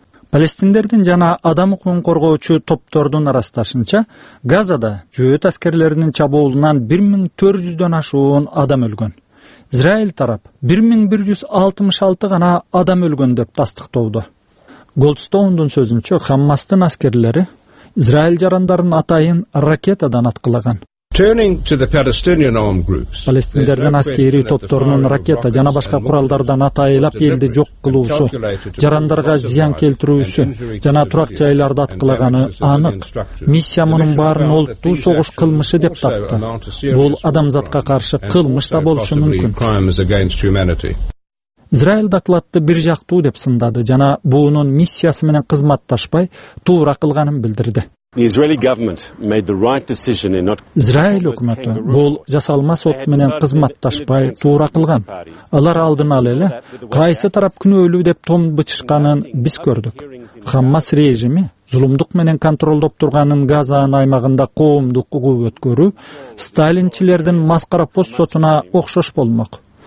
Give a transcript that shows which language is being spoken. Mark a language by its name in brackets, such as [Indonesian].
[Kyrgyz] Палестиндердин жана адам укугун коргоочу топтордун ырасташынча Газада жөөт аскерлеринин чабуулунан 1400 ашуун адам өлгөн. Израил тарап 1166 гана адам өлгөн деп тастыктоду. Голдстоундун сөзүнчө, Хаммастын аскерлери Израил жарандарын атайын ракетадан аткылаган. [English] Turning to the Palestinian armed groups. [Kyrgyz] Палестиндердин аскерий топторунун ракета жана башка куралдардан атайылап элди жок кылуусу, жарандарга зыян келтирүүсү жана турак жайларды аткылаганы анык. Миссия мунун баарын олуттуу согуш кылмышы деп тапты. Бул адамзатка каршы кылмыш да болушу мүмкүн. Израиль докладды бир жактуу деп сындады жана буунун миссиясы менен кызматташпай туура кылганын билдирди. [English] The Israeli government made the right decision in not [Kyrgyz] Израиль өкмөтү бул жасалма сот менен кызматташпай туура кылган. Алар алдынан эле кайсы тарап күнөөлүү деп том бычышканын биз көрдүк. Хаммас режими зулумдук менен контролдоп турганын Газа аймагында коомдук укук өткөрүү Сталинчилердин маскара пост сотуна окшош болмок.